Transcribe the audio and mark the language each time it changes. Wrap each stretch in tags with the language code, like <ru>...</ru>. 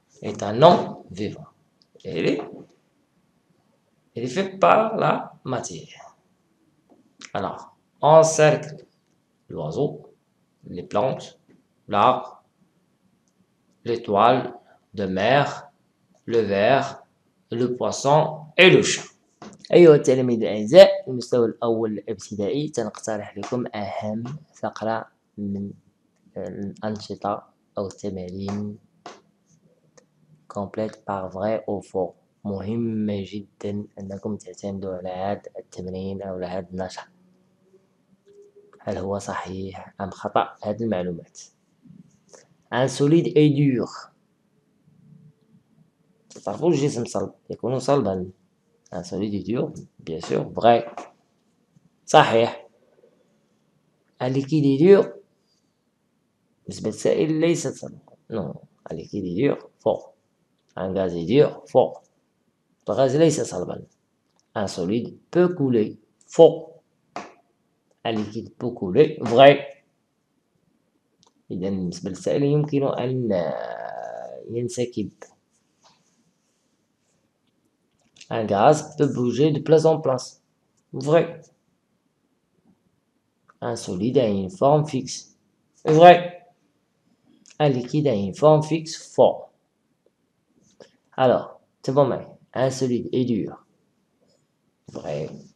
<fr>Est un nom vivant. Et il est fait par la matière. Alors, on cercle l'oiseau, les plantes, l'arbre, l'étoile de mer, le ver, le poisson et le chat.</fr> <ar>أيها التلاميذ الأعزاء، المستوى الأول الابتدائي، سنقترح لكم أهم فقرة من الأنشطة أو التمارين</ar> <fr>complete par vrai ou faux.</fr> <ar>مهم جدا أنكم تعتمدوا على هذا التمرين أو هذا النشاط، هل هو صحيح أم خطأ هذه المعلومات.</ar> <fr>Un solide et dur.</fr> <ar>تعرفوا الجسم صلب يكون صلبا.</ar> <fr>Un solide et dur, bien sûr, vrai.</fr> <ar>صحيح.</ar> <fr>Un liquide est dur.</fr> <ar>نسبة سائل ليست صلبة.</ar> <fr>Non, un liquide est dur, faux. Un gaz est dur, faux. Le gaz</fr> <ar>ليس صلبا.</ar> <fr>Un solide peut couler, faux. Un liquide peut couler, vrai.</fr> <ar>إذا بالنسبة للسائل يمكن أن ينسكب.</ar> <fr>Un gaz peut bouger de place en place. Vrai. Un solide a une forme fixe. Vrai. Un liquide a une forme fixe. Faux. Alors, c'est bon, mais un solide est dur. Vrai.</fr>